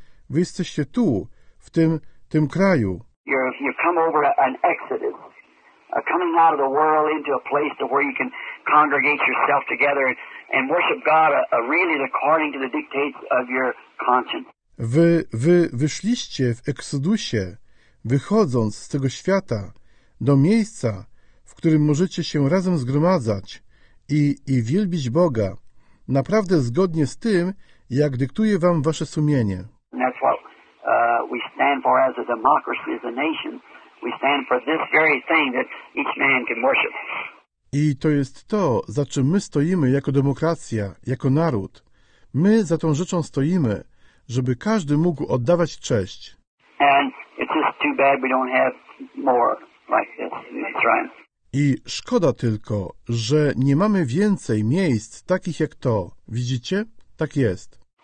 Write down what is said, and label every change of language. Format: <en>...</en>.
<pl>Wy jesteście tu, w tym kraju.</pl> <en>You've come over an exodus. Coming out of the world into a place to where you can congregate yourself together and worship God really according to the dictates of your conscience.</en> <pl>Wy wyszliście w Eksodusie, wychodząc z tego świata, do miejsca, w którym możecie się razem zgromadzać i wielbić Boga, naprawdę zgodnie z tym, jak dyktuje wam wasze sumienie.</pl> <en>That's what we stand for as a democracy, as a nation, We stand for this very thing that each man can worship.</en> <pl>I to jest to, za czym my stoimy jako demokracja, jako naród. My za tą rzeczą stoimy, żeby każdy mógł oddawać cześć.</pl> <en>And it's just too bad we don't have more like this in Israel.</en> <pl>I szkoda tylko, że nie mamy więcej miejsc takich jak to. Widzicie? Tak jest.</pl>